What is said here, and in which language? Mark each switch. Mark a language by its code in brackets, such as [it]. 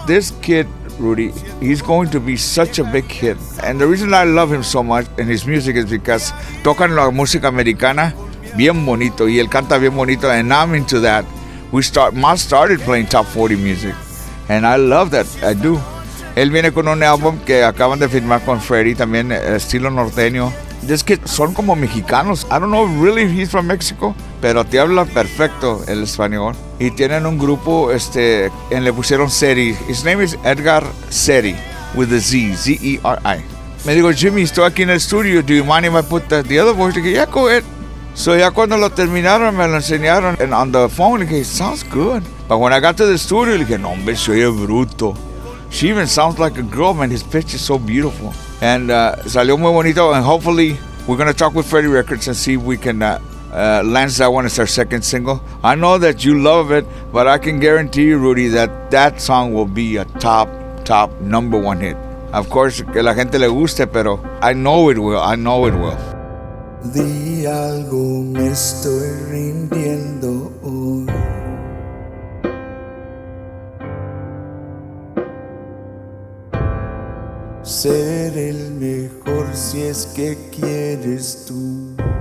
[en] This kid, Rudy, he's going to be such a big hit. And the reason I love him so much and his music is because [es] tocan la música americana bien bonito, [en] y él canta bien bonito, and now I'm into that. Ma started playing top 40 music, and I love that, I do. [es] Él viene con un álbum que acaban de firmar con Freddy, también estilo norteño. Es que son como mexicanos. [en] I don't know really if he's from Mexico, [es] pero te habla perfecto el español. Y tienen un grupo, en le pusieron Seti. [en] His name is Edgar Seti, with a Z, Z-E-R-I. [es] Me digo, Jimmy, estoy aquí en el estudio. [en] Do you mind if I put the other voice? Dije, yeah, go ahead. [es] So ya cuando lo terminaron, me lo enseñaron. [en] And on the phone, dije, it sounds good. But when I got to the studio, dije, [es] no, hombre, se oye bruto. [en] She even sounds like a girl, man. His pitch is so beautiful. And [es] salió muy bonito. [en] And hopefully, we're going to talk with Freddy Records and see if we can lance that one as our second single. I know that you love it, but I can guarantee you, Rudy, that song will be a top number one hit. Of course, [es] que la gente le guste, pero [en] I know it will. [es] Di algo, me estoy rindiendo hoy. Ser el mejor si es que quieres tú.